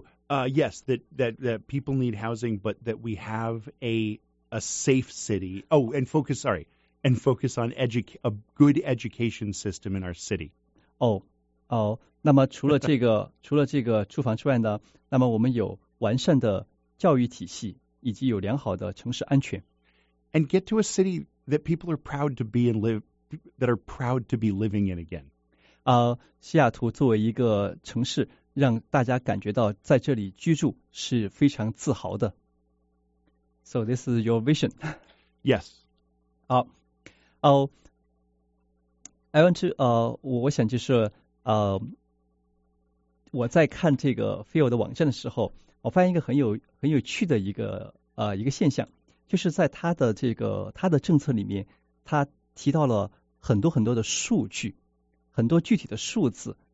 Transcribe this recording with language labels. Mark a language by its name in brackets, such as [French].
[English] Yes, that people need housing, but that we have a safe city. Oh, and focus on a good education system in our city. [Chinese] 那么除了这个住房之外呢，那么我们有完善的教育体系，以及有良好的城市安全。 [English] And get to a city that people are proud to be and live, that are proud to be living in again. [Chinese] 西雅图作为一个城市，让大家感觉到在这里居住是非常自豪的。 [English] So this is your vision. Yes. [Chinese] 好。 [English] I want to, [Chinese] 我想就是我在看这个 Phil 的网站的时候，我发现一个很有趣的一个现象，就是在他的政策里面，他提到了很多很多的数据，很多具体的数字。